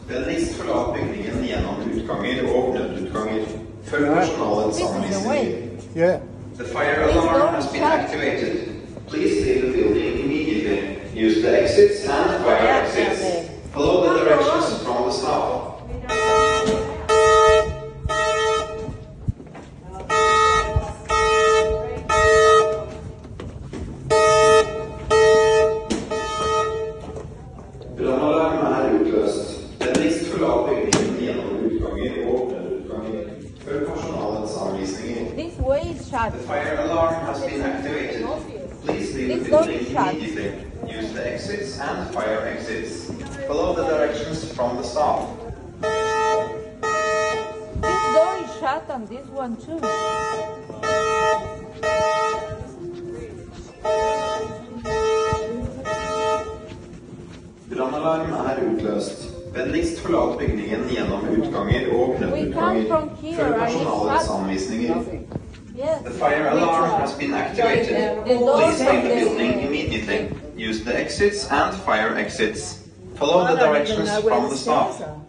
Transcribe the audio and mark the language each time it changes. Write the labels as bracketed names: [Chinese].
[Norwegian] Den ligger fra bygningen gjennom utganger og nødutganger. Følg personalets anvisninger. [English] Yeah. The fire alarm has been activated. Please leave the building immediately. Use the exits and fire exits. Follow the directions from the staff. [Norwegian] Brannalarm utløst. Den ligger fra bygningen gjennom utganger og nødutganger. Følg personalets anvisninger. [English] This way is shut. The fire alarm has been activated. Please leave the building immediately. Use the exits and fire exits. Follow the directions from the staff. This door is shut on this one too. [Norwegian] Brannalarm utløst. Vennligst forlat bygningen gjennom utganger og nødutganger. Følg personalets anvisninger. [English] The fire alarm has been activated. Please leave the building immediately. Use the exits and fire exits. Follow the directions from the staff.